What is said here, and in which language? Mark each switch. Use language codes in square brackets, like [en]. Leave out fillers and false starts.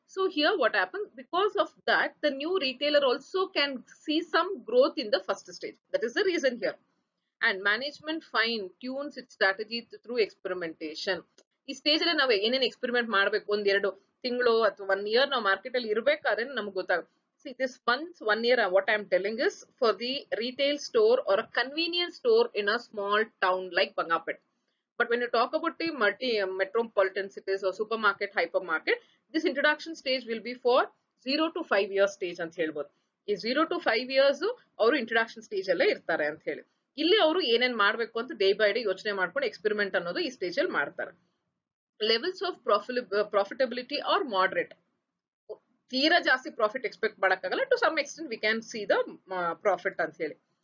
[en] So here what happen, because of that the new retailer also can see some growth in the first stage. That is the reason here. And management fine tunes it strategy through experimentation. [kn] ಈ stage ಅಲ್ಲಿ ನಾವು ಏನೇನು experiment ಮಾಡ್ಬೇಕು, ಒಂದೆರಡು ತಿಂಗಳು ಅಥವಾ 1 year ನಾವು market ಅಲ್ಲಿ ಇರಬೇಕಾದ್ರೆ ನಮ್ಗೆ ಗೊತ್ತಾಗುತ್ತೆ. [en] See, this month, 1 year, what I'm telling is for the retail store or a convenience store in a small town like Bangapet. But when you talk about the multi metropolitan cities or supermarket, hypermarket, this introduction stage will be for 0 to 5 year stage [kn] ಅಂತ ಹೇಳ್ಬೋದು. ಈ 0 to 5 years ಅವರು introduction stage ಅಲ್ಲ ಇರ್ತಾರೆ ಅಂತ ಹೇಳಿ. ಇಲ್ಲಿ ಅವರು ಏನೇನ್ ಮಾಡ್ಬೇಕು ಅಂತ ಡೇ ಬೈ ಡೇ ಯೋಚನೆ ಮಾಡ್ಕೊಂಡು ಎಕ್ಸ್ಪೆರಿಮೆಂಟ್ ಅನ್ನೋದು ಈ ಸ್ಟೇಜ್ ಅಲ್ಲಿ ಮಾಡ್ತಾರೆ. [en] levels of profitability are moderate, [kn] ತೀರಾ ಜಾಸ್ತಿ ಪ್ರಾಫಿಟ್ ಎಕ್ಸ್ಪೆಕ್ಟ್ ಮಾಡಕ್ ಆಗಲ್ಲ, [en] to some extent we can see the profit [kn] ಅಂತ ಹೇಳಿ.